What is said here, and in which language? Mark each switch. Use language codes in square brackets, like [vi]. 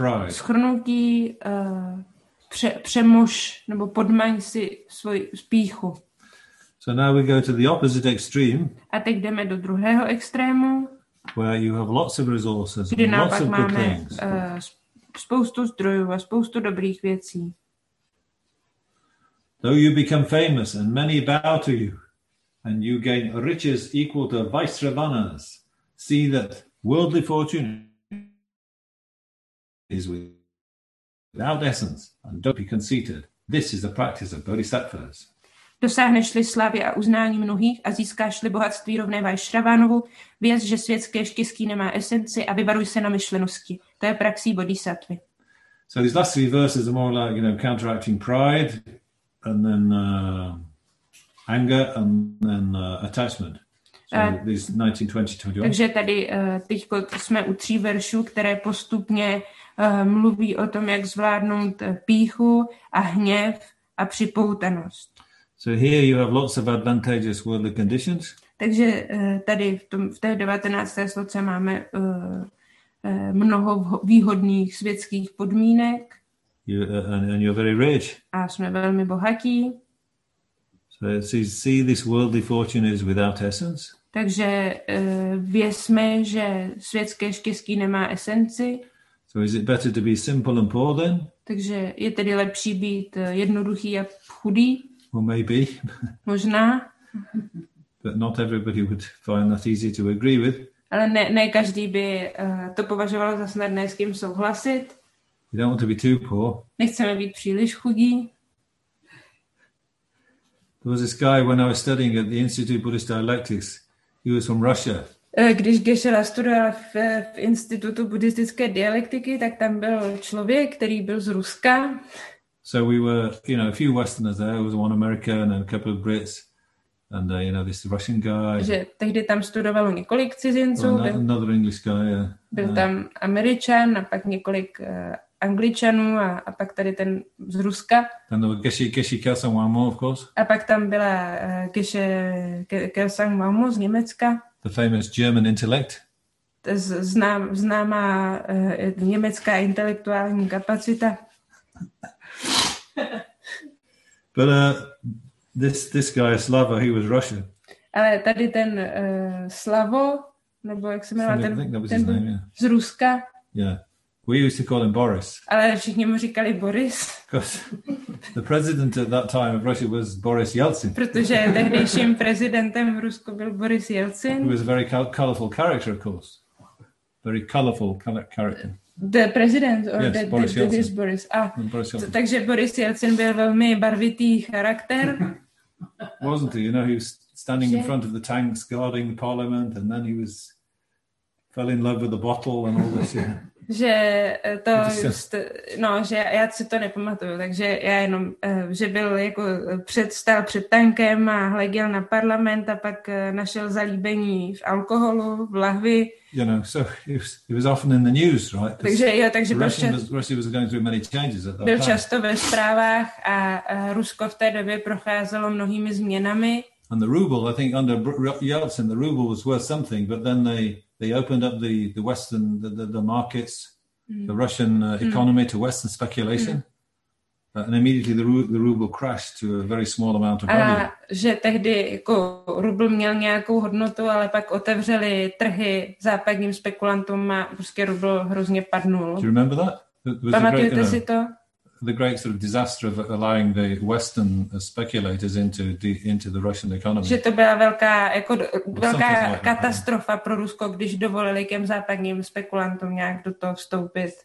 [cs] Shrnutí, přemož nebo podmaň si svůj spíchu. [en] So now we go to the opposite extreme. [cs] A teď jdeme do druhého extrému. [en] Where you have lots of resources and lots of good things. [cs] Kdy naopak máme spoustu zdrojů a spoustu dobrých věcí. [en] Though you become famous and many bow to you, and you gain riches equal to Vaisravanas, see that worldly fortune is without essence, and don't be conceited. This is the practice of bodhisattvas. [cs] Dosáhneš-li slavy a uznání mnohých a získáš-li bohatství rovné Vaisravanovu, věz, že světské štěstí nemá esenci a vyvaruj se na myšlenosti. To je praxí bodhisattvy. [en] So these last three verses are more like, you know, counteracting pride, and then anger, and then attachment. So these 19, 20, 21. [cs] Takže tady teďko jsme u tří veršů, které postupně mluví o tom, jak zvládnout pýchu a hněv a připoutanost. [en] So here you have lots of advantageous worldly conditions. [cs] Takže tady v té 19. sloce máme mnoho výhodných světských podmínek. [en] And you're very rich. [cs] A jsme velmi bohatí. [en] So see this worldly fortune is without essence. [cs] Takže vězme, že světské štěstí nemá esenci. [en] So is it better to be simple and poor then? [cs] Takže je tedy lepší být jednoduchý a chudý? [en] Well, maybe. [cs] Možná. [en] But not everybody would find that easy to agree with. [cs] Ale ne každý by to považoval za snadné s kým souhlasit. [en] We don't want to be too poor. [cs] Nechceme být příliš chudí. [en] There was this guy when I was studying at the Institute of Buddhist Dialectics. He was from Russia. [cs] Když Geshe-la studoval v Institutu buddhistické dialektiky, tak tam byl člověk, který byl z Ruska. [en] So we were, you know, a few Westerners there. There was one American and a couple of Brits. And, you know, this Russian guy. [cs] Že tehdy tam studovalo několik cizinců. [en] Another English guy, yeah. [cs] Byl tam Američan a pak několik Angličanů a pak tady ten z Ruska. [en] Then there was Geshe Kelsang Wangmo, of course. [cs] A pak tam byla Geshe Kelsang Wangmo z Německa. [en] The famous German intellect. [cs] Známá německá intelektuální kapacita. [en] But this guy Slava, he was Russian. [cs] Ale tady ten Slavo, nebo jak se jmenuje, ten z Ruska. [en] Yeah, we used to call him Boris. [cs] Ale všichni mu říkali Boris. [en] Because the president at that time of Russia was Boris Yeltsin. [cs] Protože tehdejším prezidentem v Rusku byl Boris Yeltsin. [en] He was a very colorful character, of course. Very colorful character. The president or yes, the Boris the Yeltsin. Boris. Boris Yeltsin. [cs] Takže Boris Yeltsin byl velmi barvitý charakter. [en] Wasn't he? You know, he was standing in front of the tanks guarding the parliament and then he was fell in love with the bottle and all this. Yeah. [cs] Že to just, no, že já si to nepamatuju, takže já jenom, že byl jako stál před tankem a hleděl na parlament a pak našel zalíbení v alkoholu, v lahvi. [en] You know, so he was often in the news, right? [cs] Takže [en] Russia was going through many changes at that time. [cs] Byl často ve zprávách a Rusko v té době procházelo mnohými změnami. [en] And the ruble, I think under Yeltsin, the ruble was worth something, but then they opened up the Western the markets, the Russian economy to Western speculation, and immediately the ruble crashed to a very small amount of value. [cs] A že tehdy jako rubl měl nějakou hodnotu, ale pak otevřeli trhy západním spekulantům a prostě rubl hrozně padnul. [en] Do you remember that? [cs] Pamatujete si to? [en] The great sort of disaster of allowing the Western speculators into the Russian economy. [cs] Že to byla velká jako velká katastrofa pro Rusko, když dovolili těm západním spekulantům nějak do toho vstoupit.